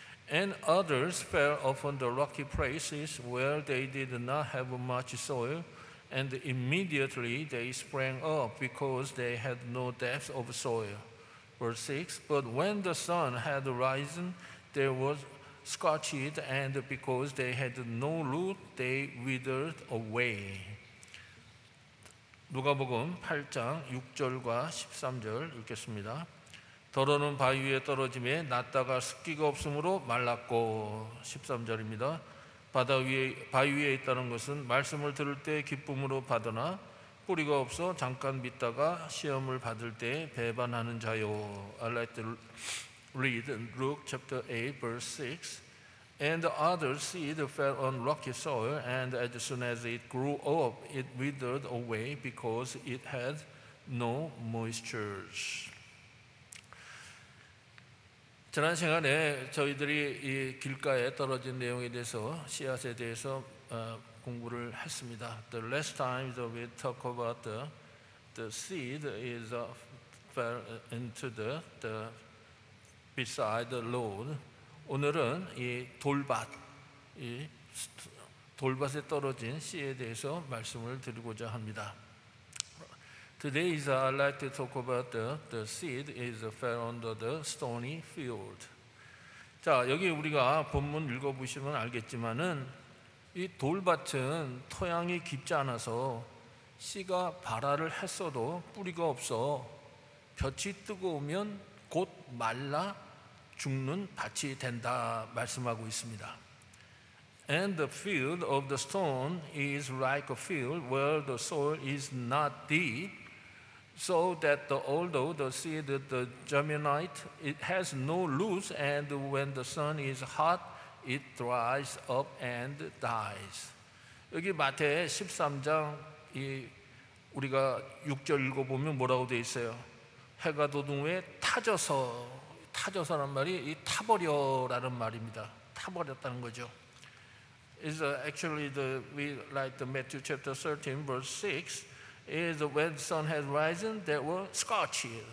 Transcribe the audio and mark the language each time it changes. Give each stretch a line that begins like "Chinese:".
English: And others fell upon the rocky places where they did not have much soil, and immediately they sprang up because they had no depth of soil. Verse 6. But when the sun had risen, they were scorched, and because they had no root, they withered away.
Korean: 누가복음 8장 6절과 13절 읽겠습니다. 더러는 바위 위에 떨어짐에 낫다가 습기가 없으므로 말랐고, 13절입니다. 바위 위에 있다는 것은 말씀을 들을 때 기쁨으로 받으나 뿌리가 없어 잠깐 믿다가 시험을 받을 때 배반하는 자요.
English: I'd like to read Luke chapter 8 verse 6. And the other seed fell on rocky soil, and as soon as it grew up, it withered away because it had no moisture.
Korean: 지난 시간에 저희들이 이 길가에 떨어진 내용에 대해서 씨앗에 대해서 공부를 했습니다.
English: The last time that we talk about the seed is fell into the beside the road.
Korean: 오늘은 이 돌밭에 떨어진 씨에 대해서 말씀을 드리고자 합니다.
English: Today is I'd like to talk about the seed is fell under the stony field.
Korean: 자, 여기 우리가 본문 읽어 보시면 알겠지만은 이 돌밭은 토양이 깊지 않아서 씨가 발아를 했어도 뿌리가 없어 볕이 뜨거우면 곧 말라 죽는 밭이 된다 말씀하고 있습니다.
English: And the field of the stone is like a field where the soil is not deep, so that although the seed germinate, it has no roots, and when the sun is hot, it dries up and dies.
Korean: 여기 마태 13장 이 우리가 6절 읽어보면 뭐라고 돼 있어요? 해가 돋은 후에 타져서. 타져서란 말이 이 타버려라는 말입니다. 타버렸다는 거죠.
English: Is actually the we like the Matthew chapter 13 verse 6 is when the sun had risen they were scorched.